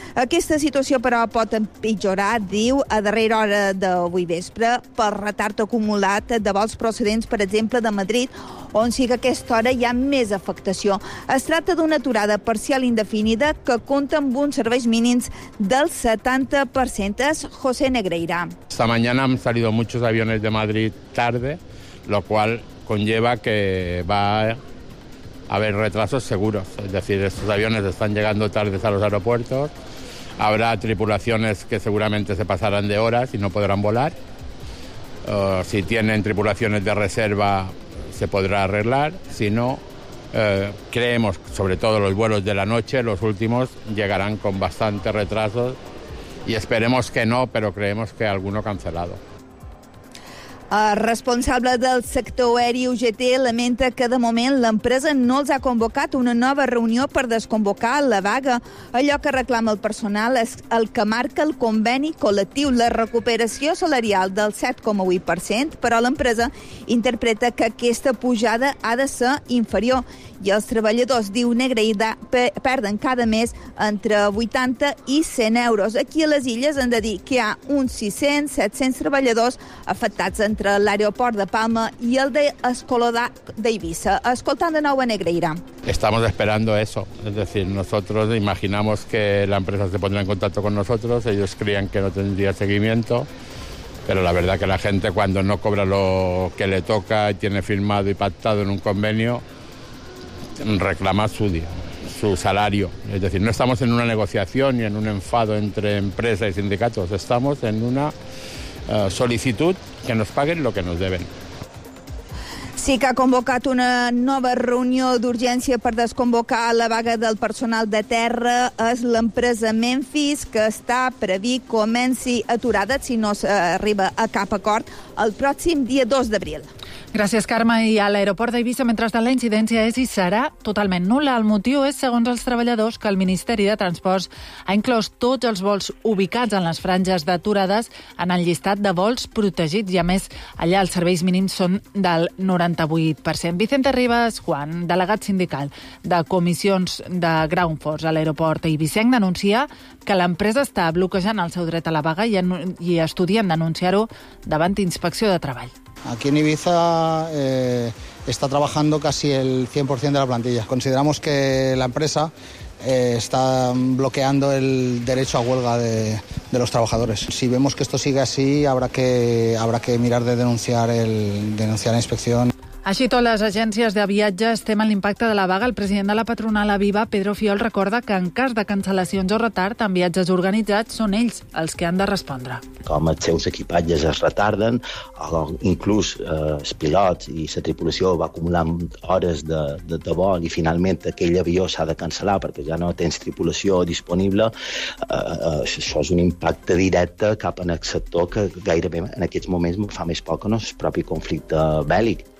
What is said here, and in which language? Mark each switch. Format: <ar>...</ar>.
<ca>Aquesta situació, però, pot empitjorar, diu, a darrera hora d'avui vespre, pel retard acumulat de vols procedents, per exemple, de Madrid, on sí que a aquesta hora hi ha més afectació. Es tracta d'una aturada parcial indefinida que compta amb uns serveis mínims del 70%. És José Negreira.</ca> <es>Esta mañana han salido muchos aviones de Madrid tarde, lo cual conlleva que va a haber retrasos seguros. Es decir, estos aviones están llegando tardes a los aeropuertos, habrá tripulaciones que seguramente se pasarán de horas y no podrán volar. Si tienen tripulaciones de reserva, se podrá arreglar. Si no, creemos, sobre todo los vuelos de la noche, los últimos, llegarán con bastante retraso y esperemos que no, pero creemos que alguno cancelado.</es> <ca>El responsable del sector aeri UGT lamenta que de moment l'empresa no els ha convocat una nova reunió per desconvocar la vaga. Allò que reclama el personal és el que marca el conveni col·lectiu, la recuperació salarial del 7,8%, però l'empresa interpreta que aquesta pujada ha de ser inferior. I els treballadors, diu Negreira, perden cada mes entre 80 i 100 euros. Aquí a les Illes han de dir que hi ha uns 600-700 treballadors afectats entre l'aeroport de Palma i el de Escolodà d'Eivissa. Escoltant de nou a Negreira.</ca> <es>Estamos esperando eso. Es decir, nosotros imaginamos que la empresa se pondrá en contacto con nosotros. Ellos creían que no tendría seguimiento. Pero la verdad que la gente cuando no cobra lo que le toca y tiene firmado y pactado en un convenio, reclama su día, su salario. Es decir, no estamos en una negociación ni en un enfado entre empresa y sindicatos, estamos en una solicitud que nos paguen lo que nos deben.</es> <ca>Sí que ha convocat una nova reunió d'urgència per desconvocar la vaga del personal de terra. És l'empresa Memphis que està previst que comenci aturada si no s'arriba a cap acord el pròxim dia 2 d'abril. Gràcies, Carme. I a l'aeroport d'Eivissa, mentre la incidència és i serà totalment nul·la, el motiu és, segons els treballadors, que el Ministeri de Transports ha inclòs tots els vols ubicats en les franges d'aturades en el llistat de vols protegits i, a més, allà els serveis mínims són del 98%. Vicente Ribas Juan, delegat sindical de Comissions de Ground Force a l'aeroport eivissenc, denuncia que l'empresa està bloquejant el seu dret a la vaga i estudien denunciar-ho davant d'Inspecció de Treball.</ca> <es>Aquí en Eivissa está trabajando casi el 100% de la plantilla. Consideramos que la empresa está bloqueando el derecho a huelga de los trabajadores. Si vemos que esto sigue así, habrá que mirar de denunciar la inspección.</es> <ca>Així tot, les agències de viatge estem en l'impacte de la vaga. El president de la patronal Aviva, Pedro Fiol, recorda que en cas de cancel·lacions o retard en viatges organitzats són ells els que han de respondre. Com els seus equipatges es retarden, o inclús els pilots i la tripulació va acumulant hores de vol i finalment aquell avió s'ha de cancel·lar perquè ja no tens tripulació disponible, això és un impacte directe cap en el sector que gairebé en aquests moments fa més por que no el propi conflicte bèl·lic.</ca>